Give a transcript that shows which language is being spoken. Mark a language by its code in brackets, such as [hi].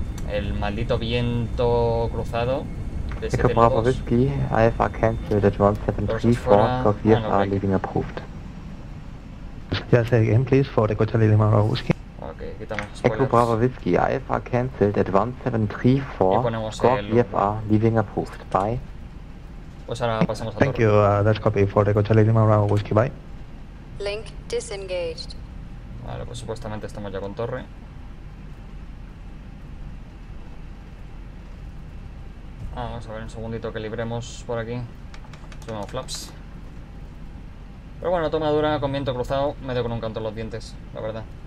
[es] El maldito viento cruzado de 7 [en] Bravo Whiskey, IFR cancelled at 1734, because we are leaving approved. Yes, again please, for the Echo Charlie Lima Bravo Whiskey. Echo Bravo Whiskey, IFR cancelled at 1734, Scorp VFR, leaving approved, bye. [es] Pues ahora pasamos a [en] thank you, that's copy for the Echo Charlie Lima Bravo Whiskey, bye. Link disengaged. [es] Vale, pues supuestamente estamos ya con torre. Vamos a ver un segundito que libremos por aquí. Subimos flaps. Pero bueno, toma dura con viento cruzado, me doy con un canto en los dientes, la verdad.